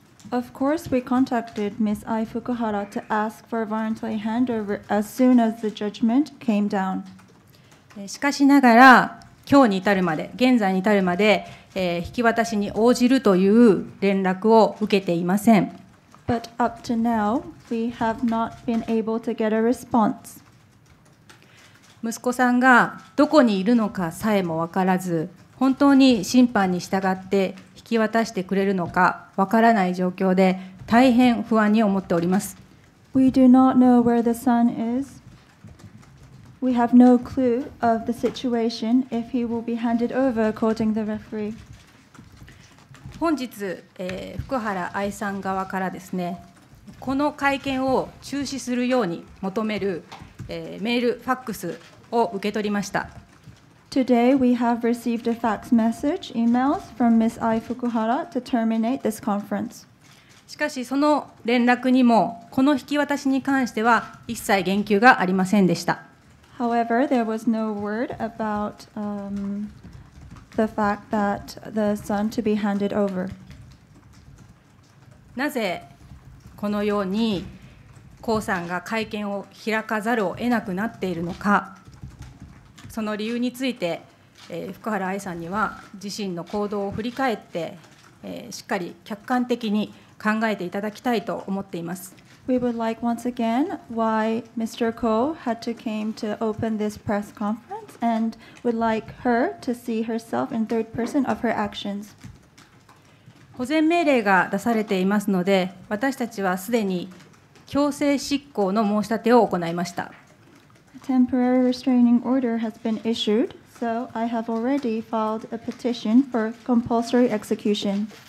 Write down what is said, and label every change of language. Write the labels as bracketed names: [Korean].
[English] Of course, we contacted Ms. Ai Fukuhara to ask for a voluntary handover as soon as the judgment came down. [Japanese] しかしながら、今日に至るまで、現在に至るまで、引き渡しに応じるという連絡を受けていません。 [English] But up to now, we have not been able to get a response. [Japanese] 息子さんがどこにいるのかさえも分からず、本当に審判に従って引き渡してくれるのか分からない状況で、大変不安に思っております。 [English] We do not know where the son is. We have no clue of the situation if he will be handed over according to the referee. [Japanese] 本日、福原愛さん側からですね、この会見を中止するように求める、メール、ファックスを受け取りました。 [English] Today we have received a fax message, emails from Ms. Ai Fukuhara to terminate this conference. [Japanese] しかしその連絡にもこの引き渡しに関しては一切言及がありませんでした。 [English] However, there was no word about, the fact that the son to be handed over. [Japanese] なぜこのように江さんが会見を開かざるを得なくなっているのか、その理由について、福原愛さんには自身の行動を振り返って、しっかり客観的に考えていただきたいと思っています。 [English] We would like once again why Mr. Ko had to came to open this press conference and would like her to see herself in third person of her actions. [Japanese] 保全命令が出されていますので、私たちはすでに強制執行の申し立てを行いました。 [English] A temporary restraining order has been issued, so I have already filed a petition for compulsory execution.